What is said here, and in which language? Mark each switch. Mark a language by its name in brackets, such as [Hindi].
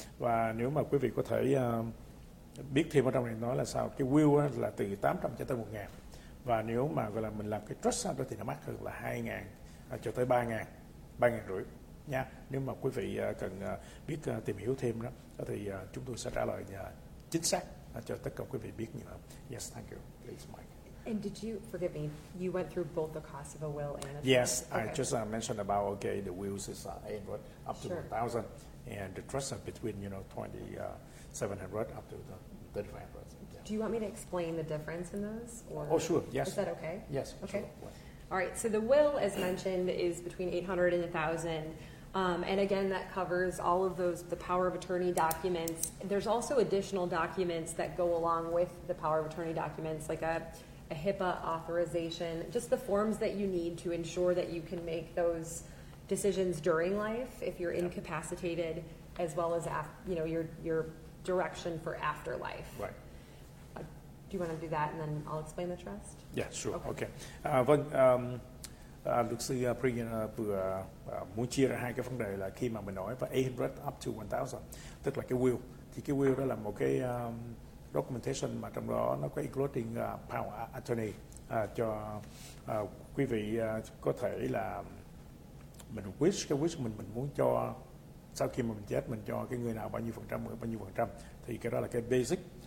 [Vietnamese] Và nếu mà quý vị có thể biết thêm ở trong này nói là sao, cái will là từ 800 cho tới 1,000, và nếu mà gọi là mình làm cái trust sao đó thì nó mắc hơn là 2,000 cho tới 3,000, 3,500 nha. Nếu mà quý vị cần biết tìm hiểu thêm đó, đó thì chúng tôi sẽ trả lời chính xác cho tất cả quý vị biết như vậy. [English] Yes, thank you. Please, Mike. And did you, forgive me, you went through both the cost of a will and a trust? Yes, okay. I just mentioned about, okay, the wills is up to 1,000, and the trust are between, you know, 2,700 up to the 3,500. Yeah. Do you want me to explain the difference in those? Or oh, sure, yes. Is that okay? Yes, okay. Sure. Well, all right, so the will, as mentioned, is between 800 and 1,000. And again, that covers all of those, the power of attorney documents. There's also additional documents that go along with the power of attorney documents, like a HIPAA authorization, just the forms that you need to ensure that you can make those decisions during life if you're incapacitated, as well as you know, your direction for afterlife. Right. Do you want to do that, and then I'll explain the trust? Yeah, sure. Okay. [Vietnamese] Vâng, luật sư Brianne vừa muốn chia ra hai cái vấn đề là khi mà mình nói và 800 [English] up to [Vietnamese] 1,000, tức là cái will, thì cái will đó là một cái documentation mà trong đó nó có including power attorney cho quý vị có thể là mình wish, cái wish mình muốn cho sau khi mà mình chết mình cho cái người nào bao nhiêu phần trăm, bao nhiêu phần trăm, thì cái đó là cái basic.